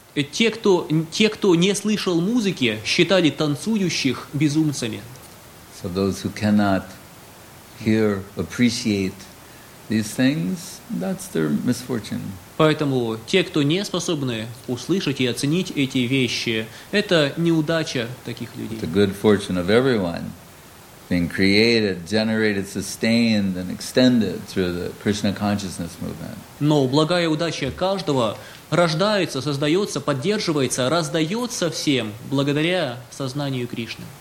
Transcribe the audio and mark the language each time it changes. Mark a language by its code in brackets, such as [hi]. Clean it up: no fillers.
[ru] Те, кто не слышал музыки, считали танцующих безумцами. [en] So those who cannot hear, appreciate these things, that's their misfortune. [ru] Поэтому те, кто не способны услышать и оценить эти вещи, это неудача таких людей. [en] The good fortune of everyone being created, generated, sustained and extended through the Krishna consciousness movement. [ru] Но благая удача каждого рождается, создается, поддерживается, раздается всем благодаря сознанию Кришны.